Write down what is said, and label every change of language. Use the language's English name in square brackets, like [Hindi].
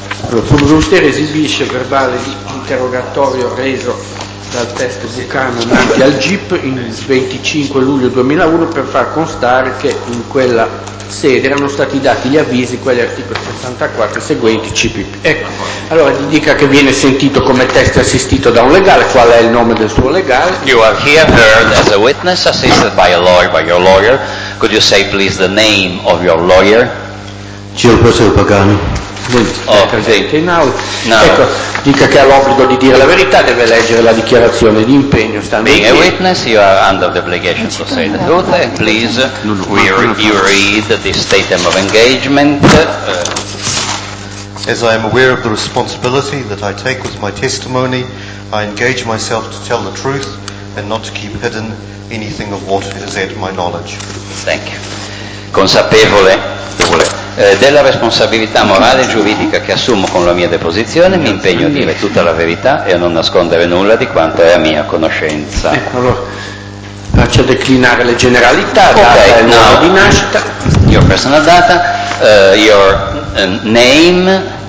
[Italian] Allora, il Ministero esibisce il verbale di interrogatorio reso dal testo Buccano davanti al GIP il 25 luglio 2001 per far constare che in quella sede erano stati dati gli avvisi, quegli articoli 64 e seguenti CPP. Ecco, allora gli dica che viene sentito come testo assistito da un legale, qual è il nome del suo legale? [English] You are here heard as a witness assisted by a lawyer, by your lawyer. Could you say please the name of your lawyer? [Italian] Signor Professor Pagano. Presente in aula. No. Ecco, dica che ha l'obbligo di dire la verità, deve leggere la dichiarazione di impegno. [English] Being a witness, you are under the obligation to say the truth. And please, you read the statement of engagement. As I am aware of the responsibility that I take with my testimony, I engage myself to tell the truth and not to keep hidden anything of what is at my knowledge. Thank you. [Italian] Consapevole. Della responsabilità morale e giuridica che assumo con la mia deposizione, mi impegno a dire tutta la verità e a non nascondere nulla di quanto è a mia conoscenza. Ecco, allora, faccio declinare le generalità, data e numero di nascita. [English] Your personal data, your name.